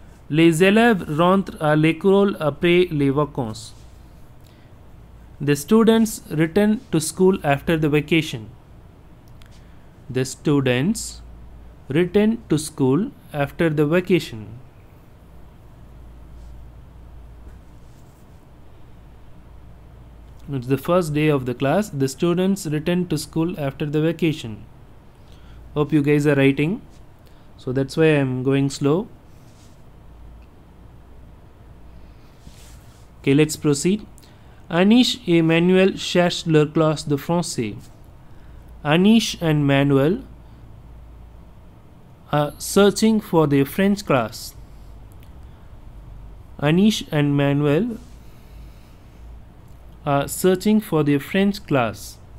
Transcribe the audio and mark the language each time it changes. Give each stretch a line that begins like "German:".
French: Les élèves rentrent à l'école après les vacances.
English: The students return to school after the vacation. The students return to school after the vacation. It's the first day of the class. The students return to school after the vacation. Hope you guys are writing. So that's why I'm going slow. Okay, let's proceed. Anish et Manuel cherchent leur classe de français. Anish and Manuel are searching for their French class. Anish and Manuel are searching for their French class.